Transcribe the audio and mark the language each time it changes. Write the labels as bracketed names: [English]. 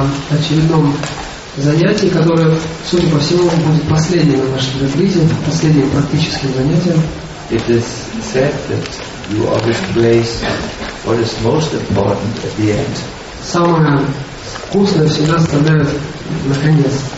[Russian] Очередном занятии, которое, судя по всему, будет последним на нашем ретрите, последним практическим занятием. [English] It is said that you always place what is most important at the end. [Russian] Самое вкусное всегда оставляют на конец.